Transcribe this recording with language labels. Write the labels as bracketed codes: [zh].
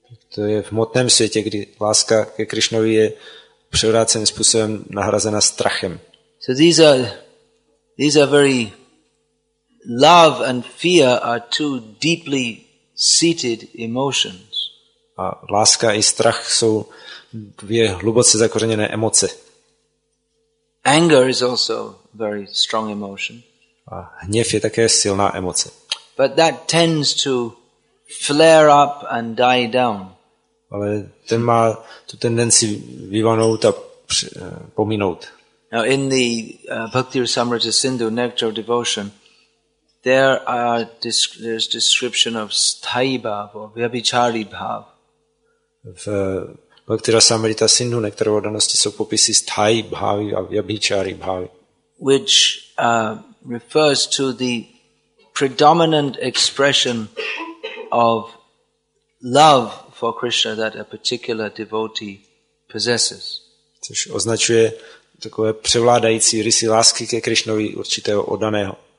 [cs] To je v hmotném světě, kdy láska ke Krišnovi je převráceným způsobem nahrazena strachem. [en] So these are very love and fear are two deeply seated emotions. [cs] A láska i strach jsou dvě hluboce zakořeněné emoce. [en] Anger is also very strong emotion. [cs] A hněv je také silná emoce. [en] But that tends to flare up and die down. [cs] Ale ten má tu tendenci vyvanout a pominout. [en] Now in the Bhakti Rasamrita Sindhu Nectar of Devotion, there's description of sthayi bhav or vyabhichari bhav. [cs] V Bhakti Rasamrita Sindhu Nectar of Devotion jsou popisy sthayi bhavi a vyabhichari bhavi, [en] which refers to the predominant expression of love for Krishna that a particular devotee possesses. [cs] Což označuje takové převládající rysy lásky ke Krišnovi určitého oddaného.